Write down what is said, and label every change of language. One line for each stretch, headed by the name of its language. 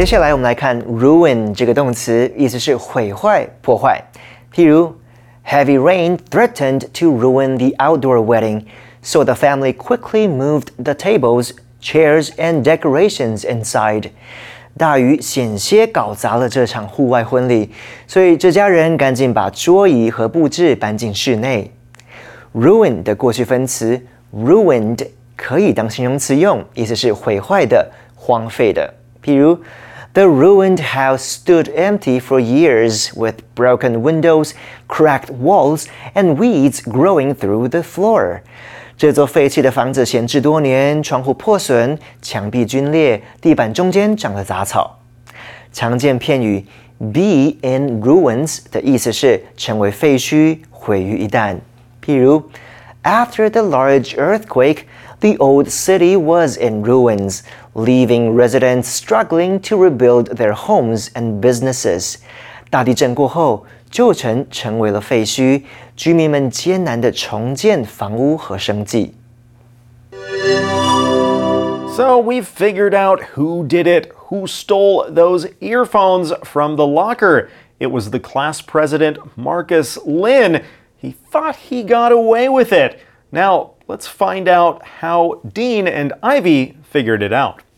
Chinese: 接下来我们来看 ruin 这个动词，意思是毁坏、破坏。譬如
English: ，heavy rain threatened to ruin the outdoor wedding, so the family quickly moved the tables, chairs, and decorations inside.
Chinese: 大雨险些搞砸了这场户外婚礼，所以这家人赶紧把桌椅和布置搬进室内。 ruin 的过去分词 ruined 可以当形容词用，意思是毁坏的、荒废的。譬如
English: ，The ruined house stood empty for years with broken windows, cracked walls, and weeds growing through the floor.
Chinese: 这座废弃的房子闲置多年，窗户破损，墙壁皲裂，地板中间长了杂草。常见片语 be in ruins 的意思是成为废墟，毁于一旦。譬如
English: ，After the large earthquake, the old city was in ruins. Leaving residents struggling to rebuild their homes and businesses.
Chinese: 大地震过后，旧城成为了废墟，居民们艰难地重建房屋和生计。
English: So we've figured out who did it, who stole those earphones from the locker. It was the class president, Marcus Lin. He thought he got away with it. Now, let's find out how Dean and Ivy figured it out.